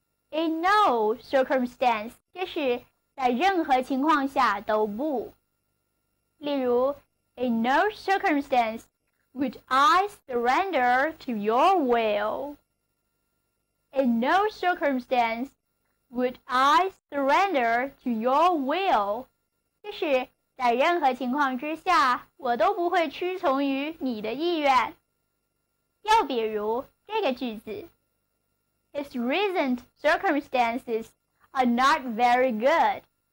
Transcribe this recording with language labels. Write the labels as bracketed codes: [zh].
[en] in no circumstance 这是在任何情况下都不，例如 in no circumstanceWould I surrender to your will? In no circumstance would I surrender to your will. [zh] 就是在任何情况之下，我都不会屈从于你的意愿。又比如这个句子， [en] His recent circumstances are not very good.